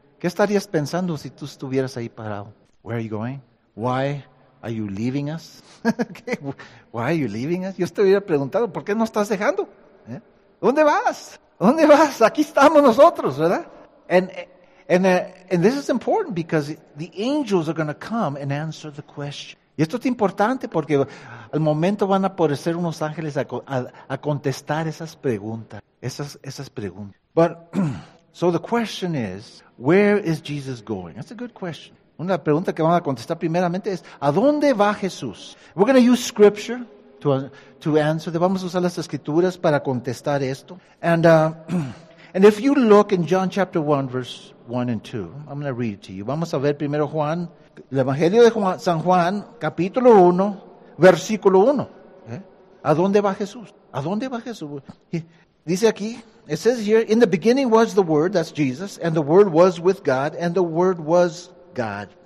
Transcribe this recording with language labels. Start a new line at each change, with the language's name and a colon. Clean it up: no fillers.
Spanish: ¿Qué estarías pensando si tú estuvieras ahí parado?
English: Where are you going? Why are you leaving us?
Spanish: Why are you leaving us? Yo te hubiera preguntado, ¿por qué no estás dejando? ¿Eh? ¿Dónde vas? ¿Dónde vas? Aquí estamos nosotros, ¿verdad?
English: And this is important because the angels are going to come and answer the question.
Spanish: Y esto es importante porque al momento van a poder ser unos ángeles a contestar esas preguntas. Esas preguntas.
English: But, so the question is, where is Jesus going? That's a good question.
Spanish: Una pregunta que van a contestar primeramente es, ¿a dónde va Jesús?
English: We're going to use scripture. To answer,
Spanish: vamos a usar las escrituras para contestar esto.
English: And if you look in John chapter 1, verse 1 and 2, I'm going to read it to you.
Spanish: Vamos a ver primero Juan, el Evangelio de Juan, San Juan, capítulo 1, versículo 1. ¿Eh? ¿A dónde va Jesús? ¿A dónde va Jesús? Dice aquí,
English: it says here, in the beginning was the Word, that's Jesus, and the Word was with God, and the Word was God.